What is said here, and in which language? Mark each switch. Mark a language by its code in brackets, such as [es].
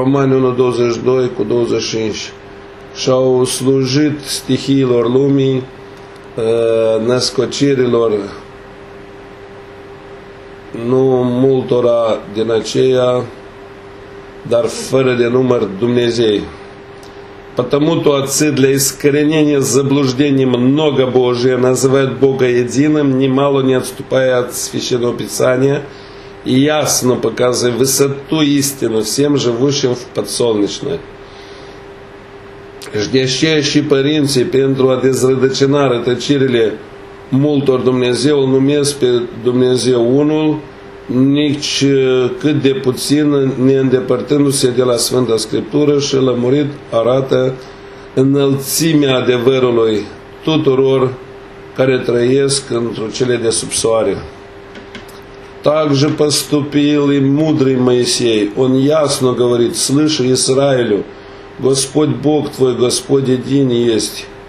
[ro] Romani 1:22-25. Și au slujit stihiilor lumii, născocirilor, nu multora din aceea, dar fără de număr Dumnezei. [ru] Потому-то отцы для искоренения заблуждений много Божие называют Бога единым, немало не отступая от Священного Писания, и ясно показывая высоту истины всем живущим в подсолнечной. [ro] Ждещие și părinții pentru a dezrădăcina rătăcirile multor Dumnezeu, numesc pe Dumnezeu unul, nici cât de puțin ne îndepărtându-se de la Sfânta Scriptură și lămurit arată înălțimea adevărului tuturor care trăiesc într-o cele de sub soare. [ru] Так же поступил и мудрый Моисей. Он ясно говорит: «Слыши, Израилю, Господь Бог твой, Господь един есть».